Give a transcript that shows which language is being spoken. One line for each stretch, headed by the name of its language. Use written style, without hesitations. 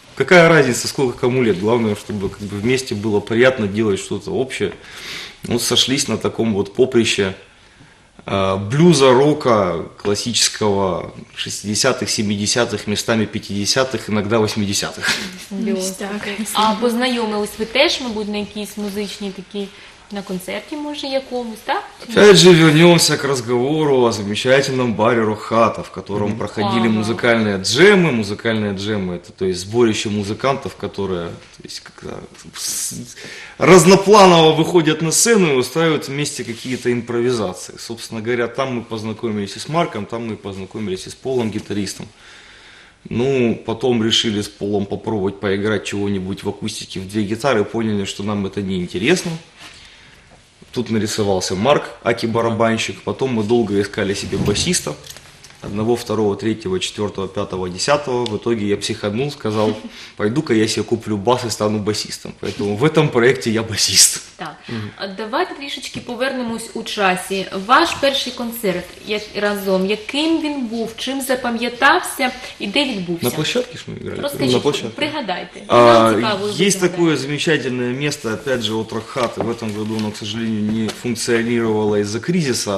Russian: Какая разница, сколько кому лет, главное, чтобы как бы вместе было приятно делать что-то общее. Ну, сошлись на таком вот поприще блюза, рока классического 60-х, 70-х, местами 50-х, иногда 80-х.
Ukrainian: А познайомились ви теж, мабуть, на якісь музичні такі, на концерті, може, якомусь, так?
Russian: Опять же, вернемся к разговору о замечательном баре Рохата, в котором проходили музыкальные джемы. Музыкальные джемы – это то есть сборище музыкантов, которые то есть, когда, разнопланово выходят на сцену и устраивают вместе какие-то импровизации. Собственно говоря, там мы познакомились и с Марком, там мы познакомились и с Полом, гитаристом. Ну, потом решили с Полом попробовать поиграть чего-нибудь в акустике в 2 гитары, поняли, что нам это неинтересно. Тут нарисовался Марк, аки-барабанщик. Потом мы долго искали себе басиста. 1, 2, 3, 4, 5, 10. В итоге я психанул, сказал, пойду-ка я себе куплю бас и стану басистом. Поэтому в этом проекте я басист. Так.
Ukrainian: Давайте трішечки повернемось у часі. Ваш перший концерт разом, яким він був, чим запам'ятався і де відбувся? На площадке ж ми грали. Розкажіть, на площадке. Пригадайте.
Russian: Есть такое замечательное место, опять же, от Рохат. В этом году оно, к сожалению, не функционировало из-за кризиса.